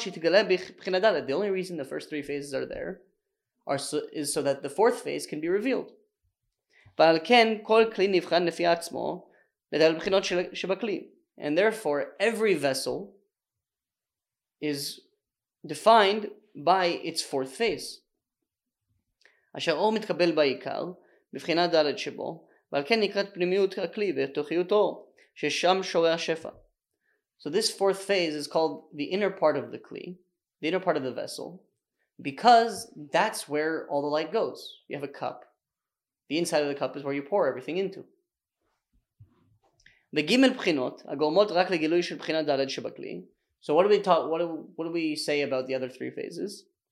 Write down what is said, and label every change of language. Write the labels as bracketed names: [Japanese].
[English] The only reason the first three phases are there is so that the fourth phase can be revealed. And therefore, every vessel is defined by its fourth phase. [Hebrew] אשר אור מתקבל בעיקר, בבחינה דלת שבו, ועל כן נקראת פנימיות הכלי ותוכיות אור, ששם שורה שפע. [English] So this fourth phase is called the inner part of the kli, the inner part of the vessel, because that's where all the light goes. You have a cup. The inside of the cup is where you pour everything into. [Hebrew] וגימל בחינות, הגורמות רק לגילוי של בחינת דלת שבכלי. [English] So what do we talk, what do we say about the other three phases?